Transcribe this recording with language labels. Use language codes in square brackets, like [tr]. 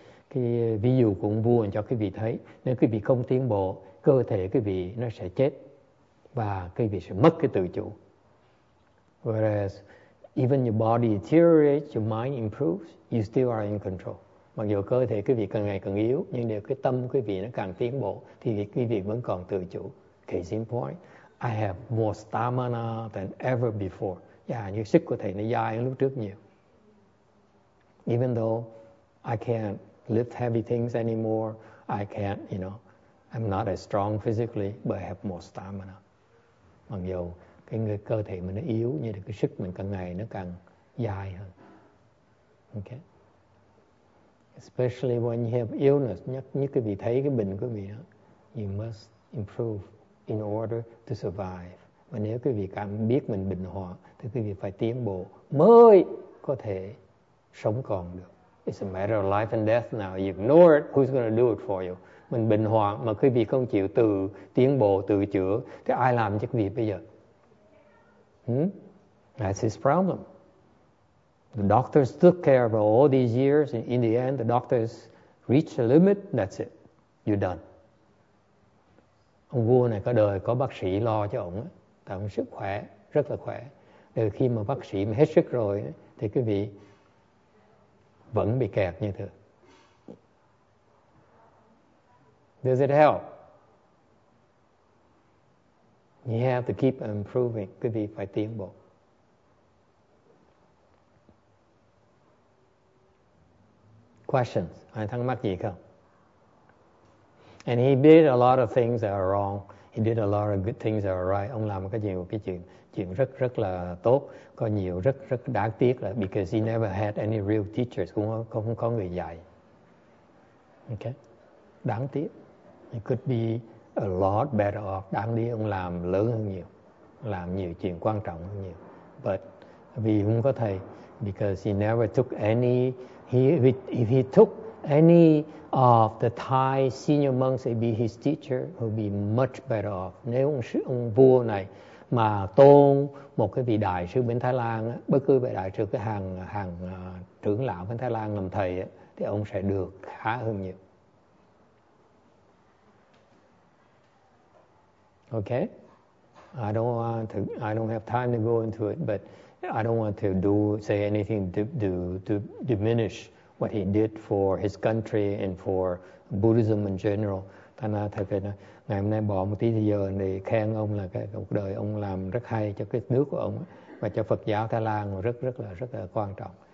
[vi] Cái ví dụ của ông vua cho quý vị thấy, nếu quý vị không tiến bộ, cơ thể quý vị nó sẽ chết và quý vị sẽ mất cái tự chủ. [en] Whereas even your body deteriorates, your mind improves, you still are in control. [vi] Mặc dù cơ thể quý vị càng ngày càng yếu, nhưng nếu cái tâm quý vị nó càng tiến bộ thì quý vị vẫn còn tự chủ. [en] Case in point, I have more stamina than ever before. [vi] Yeah, như sức của thầy nó dài hơn lúc trước nhiều. [en] Even though I can't lift heavy things anymore, I can't, you know, I'm not as strong physically, but I have more stamina. [vi] Mặc dù cái người cơ thể mình nó yếu, như là cái sức mình càng ngày nó càng dài hơn. Okay. [en] Especially when you have illness, [vi] nhất cái vị thấy cái bệnh của mình đó, [en] you must improve in order to survive. [vi] Và nếu cái vị cảm biết mình bệnh hoạn, thì cái vị phải tiến bộ mới có thể sống còn được. [en] It's a matter of life and death now. You ignore it, who's going to do it for you? [vi] Mình bệnh hoạn mà quý vị không chịu tự tiến bộ, tự chữa, thì ai làm cho quý vị bây giờ? [en] That's his problem. The doctors took care of all these years, and in the end, the doctors reached a limit, that's it. You're done. [vi] Ông vua này có đời có bác sĩ lo cho ông, tại ông sức khỏe rất là khỏe. Rồi khi mà bác sĩ mà hết sức rồi thì quý vị vẫn bị kẹt như thường. [en] Does it help? You have to keep improving. [vi] Quý vị phải tiến bộ. [en] Questions? [vi] Ai thắc mắc gì không? [en] And he did a lot of things that are wrong. He did a lot of good things that are right. [vi] Ông làm một cái nhiều cái chuyện rất rất là tốt. Có nhiều rất rất đáng tiếc là [en] because he never had any real teachers. [vi] Cũng không có người dạy. Okay? Đáng tiếc. [en] He could be a lot better off. [vi] Đáng lý ông làm lớn hơn nhiều. Làm nhiều chuyện quan trọng hơn nhiều. [en] But [vi] vì không có thầy, [en] because he never took any, if he took any of the Thai senior monks to be his teacher, he'll be much better off. [vi] Nếu ông vua này mà tôn một cái vị đại sư bên Thái Lan, bất cứ vị đại sư cái hàng trưởng lão bên Thái Lan làm thầy, thì ông sẽ được khá hơn nhiều. [en] Okay, I don't have time to go into it, but I don't want to say anything to diminish what he did for his country and for Buddhism in general. [vi] Thành ra thầy phải nói, ngày hôm nay bỏ một tí thời giờ để khen ông là cái cuộc đời ông làm rất hay cho cái nước của ông và cho Phật giáo Thái Lan rất là quan trọng.